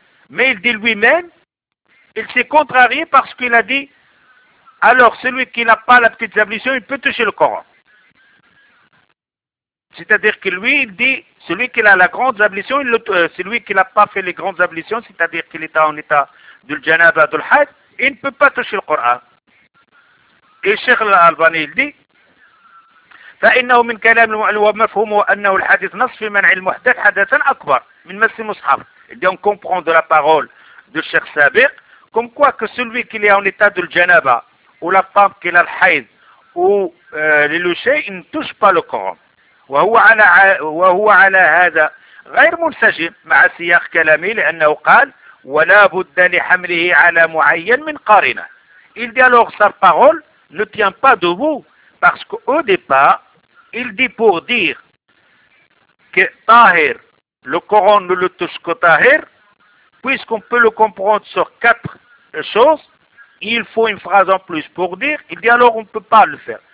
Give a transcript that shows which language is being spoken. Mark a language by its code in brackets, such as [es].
[fr] Mais il dit lui-même, il s'est contrarié parce qu'il a dit, alors celui qui n'a pas la petite ablution, il peut toucher le Coran. C'est-à-dire que lui, il dit, celui qui a la grande ablution, celui qui n'a pas fait les grandes ablutions, c'est-à-dire qu'il est en état de janaba et de hajj, il ne peut pas toucher le Coran. Et Cheikh Al-Albani, il dit, [ar] فإنه من كلام ومفهومه أنه الحديث نص في منع المحدث حدثا أكبر من مس المصحف. [fr] Et on comprend de la parole du Cheikh Sabir, comme quoi que celui qui est en état de janaba, ou la femme qui a le hajj, ou les louchés, il ne touche pas le Coran. [ar] وهو على هذا غير منسجم مع سياق كلامي لأنه قال ولا بد لحمله على معين من قارنة. [fr] Il dit alors sa parole ne tient pas debout parce qu'au départ il dit pour dire que Tahir, le Coran ne le touche que Tahir, puisqu'on peut le comprendre sur quatre choses, il faut une phrase en plus pour dire, il dit alors on ne peut pas le faire.